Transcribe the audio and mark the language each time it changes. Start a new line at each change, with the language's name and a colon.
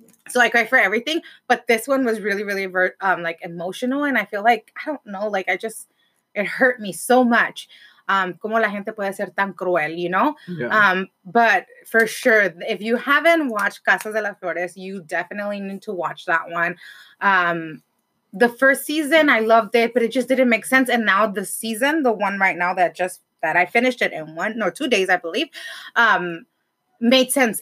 English: So I cry for everything, but this one was really, really like emotional, and I feel like, I don't know, like it hurt me so much.
Spanish: Como la gente puede ser tan cruel,
English: you know? Yeah. But for sure, if you haven't watched Casas de las Flores, you definitely need to watch that one. The first season, I loved it, but it just didn't make sense. And now the season, the one right now that I finished it in 1 or 2 days, I believe. Made sense.